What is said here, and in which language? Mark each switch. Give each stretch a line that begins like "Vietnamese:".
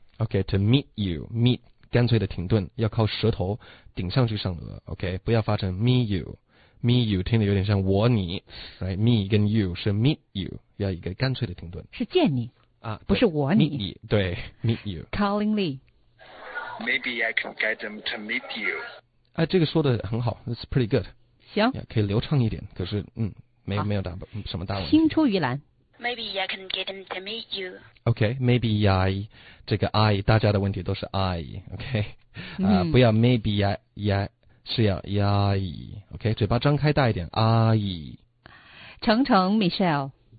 Chinese: OK， to meet you， meet 干脆的停顿要靠舌头顶上去上颚 ，OK， 不要发成 me you， me you 听得有点像我你 ，right， me 跟 you 是 meet you， 要一个干脆的停顿，是见你。啊，不是我你
English: meet you, 对 meet you Colin Lee Maybe I can get them to meet you
Chinese: 啊，这个说的很好
English: It's pretty good
Chinese: 行
English: yeah,
Chinese: 可以流畅一点可是嗯，没有大什么大问题青出于蓝
English: Maybe I can get them to meet you
Chinese: OK Maybe I 这个 I 大家的问题都是 I OK、嗯、不要 Maybe I 是要 I OK 嘴巴张开大一点 I 程程 Michelle